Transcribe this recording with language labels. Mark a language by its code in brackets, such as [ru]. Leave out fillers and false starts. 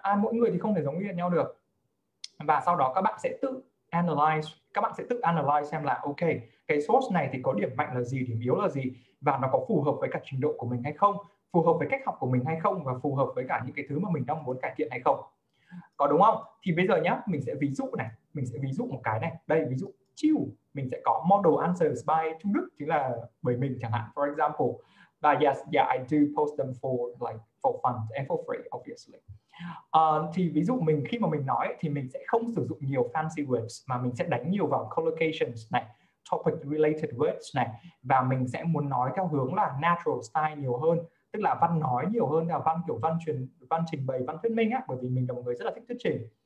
[vi] À, mỗi người thì không thể giống như nhau được. Và sau đó các bạn sẽ tự analyze, các bạn sẽ tự analyze xem là ok, cái source này thì có điểm mạnh là gì, điểm yếu là gì, và nó có phù hợp với cả trình độ của mình hay không, phù hợp với cách học của mình hay không, và phù hợp với cả những cái thứ mà mình đang muốn cải thiện hay không. Có đúng không? Thì bây giờ nhá, mình sẽ ví dụ này, mình sẽ ví dụ một cái này. Đây, ví dụ chiêu, mình sẽ có model answers by Trung Đức, chính là bởi mình chẳng hạn, for example. [en] But yes, yeah, I do post them for like for fun and for free, obviously. [vi] Thì ví dụ mình, khi mà mình nói thì mình sẽ không sử dụng nhiều fancy words, mà mình sẽ đánh nhiều vào collocations này, topic related words này, và mình sẽ muốn nói theo hướng là natural style nhiều hơn, tức là văn nói nhiều hơn là văn kiểu văn trình bày, văn thuyết minh á, bởi vì mình là một người rất là thích thuyết trình.